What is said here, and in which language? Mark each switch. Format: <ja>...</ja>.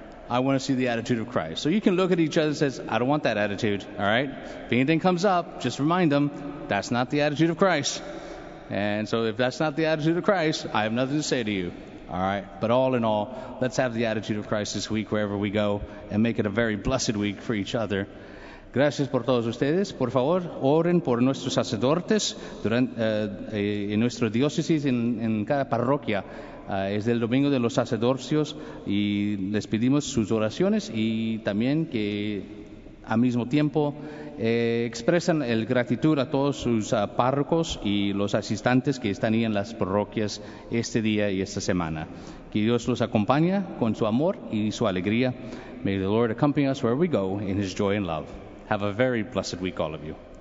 <en>I want to see the attitude of Christ. So you can look at each other and say, I don't want that attitude, all right? If anything comes up, just remind them, that's not the attitude of Christ. And so if that's not the attitude of Christ, I have nothing to say to you, all right? But all in all, let's have the attitude of Christ this week wherever we go and make it a very blessed week for each other.</en> <es>Gracias por todos ustedes. Por favor, oren por nuestros sacerdotes en nuestra diócesis, en cada parroquia. Es el domingo de los sacerdocios y les pedimos sus oraciones y también que al mismo tiempo expresan el gratitud a todos sus párrocos y los asistentes que están ahí en las parroquias este día y esta semana. Que Dios los acompañe con su amor y su alegría.</es> <en>May the Lord accompany us where we go in his joy and love. Have a very blessed week, all of you.</en>